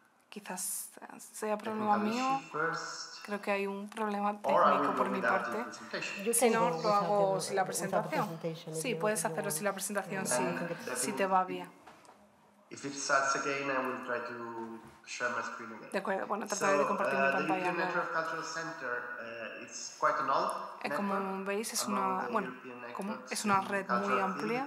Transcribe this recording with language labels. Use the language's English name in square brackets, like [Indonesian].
[Spanish] Quizás sea problema mío. Creo que hay un problema técnico por mi parte. Si no, lo hago sin la presentación. Sí, puedes hacerlo sin la presentación si te va bien. [English] If it starts again, I will try to share my screen again. [Spanish] De acuerdo, bueno, trataré de compartir mi pantalla. [English] The European Network Cultural Center, it's quite an old network. [Spanish] Como veis, es una, bueno, como es una red muy amplia.